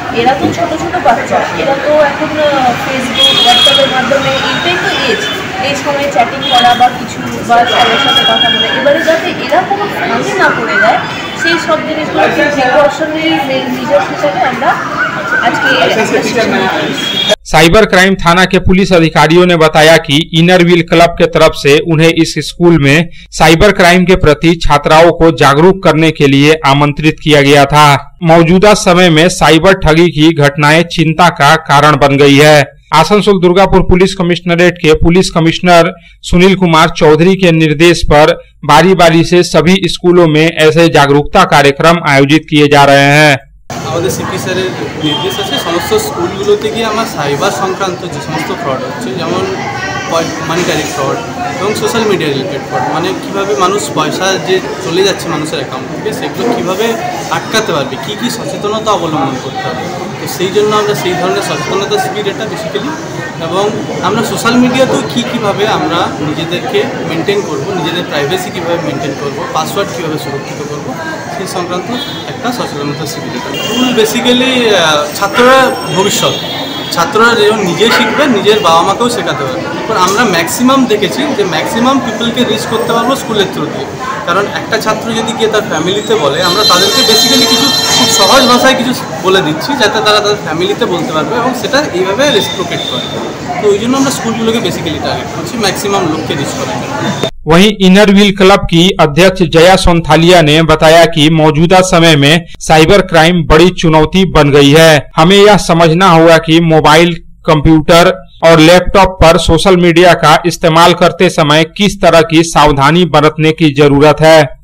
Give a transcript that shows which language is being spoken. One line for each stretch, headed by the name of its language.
Bangla: এরা তো ছোটো ছোটো বাচ্চা, এরা তো এখন ফেসবুক হোয়াটসঅ্যাপের মাধ্যমে এইটাই তো এজ, এই সময় চ্যাটিং করা বা কিছু বা সবার সাথে কথা বলে, এবারে যাতে এরা কোনো ফ্রেন্ডি না করে দেয় সেই সব জিনিসগুলো প্রিকশনারি মেজার্স হিসাবে আমরা আজকে।
Hindi: साइबर क्राइम थाना के पुलिस अधिकारियों ने बताया कि इनर व्हील क्लब के तरफ से उन्हें इस स्कूल में साइबर क्राइम के प्रति छात्राओं को जागरूक करने के लिए आमंत्रित किया गया था। मौजूदा समय में साइबर ठगी की घटनाएं चिंता का कारण बन गई है। आसनसोल दुर्गापुर पुलिस कमिश्नरेट के पुलिस कमिश्नर सुनील कुमार चौधरी के निर्देश पर बारी बारी से सभी स्कूलों में ऐसे जागरूकता कार्यक्रम आयोजित किए जा रहे हैं।
Bangla: আমাদের সিপি স্যারের নির্দেশ আছে সমস্ত স্কুলগুলোতে গিয়ে আমার সাইবার সংক্রান্ত যে সমস্ত ফ্রড হচ্ছে, যেমন মানিটারি ফ্রড এবং সোশ্যাল মিডিয়া রিলেটেড ফ্রড, মানে কীভাবে মানুষ পয়সা যে চলে যাচ্ছে মানুষের অ্যাকাউন্ট থেকে সেগুলো কীভাবে আটকাতে পারবে, কী কী সচেতনতা অবলম্বন করতে হবে, তো সেই জন্য আমরা সেই ধরনের সচেতনতা শিবির এটা বেসিক্যালি, এবং আমরা সোশ্যাল মিডিয়াতেও কী কীভাবে আমরা নিজেদেরকে মেনটেন করবো, নিজেদের প্রাইভেসি কীভাবে মেনটেন করবো, পাসওয়ার্ড কীভাবে সুরক্ষিত করবো সেই সংক্রান্ত একটা সচেতনতা শিবির। স্কুল বেসিক্যালি ছাত্ররা ভবিষ্যৎ, ছাত্ররা যেমন নিজে শিখবে নিজের বাবা মাকেও শেখাতে পারবে, এরপর আমরা ম্যাক্সিমাম দেখেছি যে ম্যাক্সিমাম পিপলকে রিচ করতে পারবো স্কুলের থ্রু দিয়ে, কারণ একটা ছাত্র যদি গিয়ে তার ফ্যামিলিতে বলে আমরা তাদেরকে বেসিক্যালি কিছু খুব সহজ ভাষায় কিছু বলে দিচ্ছি যাতে তারা তাদের ফ্যামিলিতে বলতে পারবে এবং সেটা এইভাবে রেসিপ্রোকেট করে, তো ওই জন্য আমরা স্কুলগুলোকে বেসিক্যালি টার্গেট করছি ম্যাক্সিমাম লোককে রিচ করার জন্য।
Hindi: वहीं इनर व्हील क्लब की अध्यक्ष जया सोनथालिया ने बताया कि मौजूदा समय में साइबर क्राइम बड़ी चुनौती बन गई है। हमें यह समझना होगा कि मोबाइल कंप्यूटर और लैपटॉप पर सोशल मीडिया का इस्तेमाल करते समय किस तरह की सावधानी बरतने की जरूरत है।